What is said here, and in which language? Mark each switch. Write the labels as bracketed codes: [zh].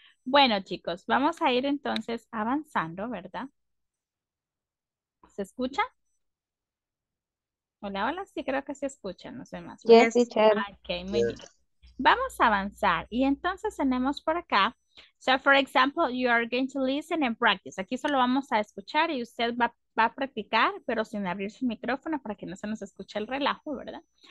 [es] Bueno, chicos, vamos a ir entonces avanzando, ¿verdad? ¿Se escucha? Hola, hola, sí, creo que se escucha, no sé más. [en] Yes, teacher. [es] Ok, muy bien. Vamos a avanzar y entonces tenemos por acá. [en] So, for example, you are going to listen and practice. [es] Aquí solo vamos a escuchar y usted va a practicar, pero sin abrir su micrófono para que no se nos escuche el relajo, ¿verdad?